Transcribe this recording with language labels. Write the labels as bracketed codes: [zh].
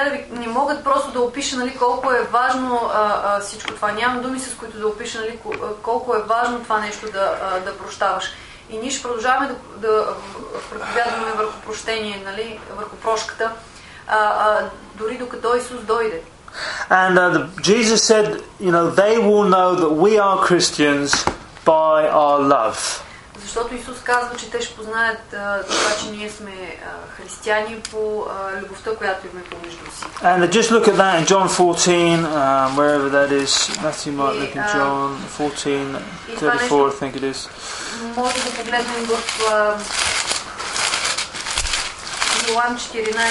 [bg] Не могат просто да опиша, нали, колко е важно всичко това. Нямам думи с които да опиша, нали, колко е важно това нещо да прощаваш. И ние ще продължаваме да проповядваме върху прощение, нали, върху прошката, дори докато Исус дойде. [en] And Jesus said, you know, they will know that we are Christians by our love. [bg] Защото Исус казва, че те ще познаят това, че ние сме християни по любовта, която имаме помежду си. [en] And just look at that in John 14, wherever that is. Matthew, Mark, Luke, and John 14, 34, I think it is. [bg] Може да погледнем в Йоан 14.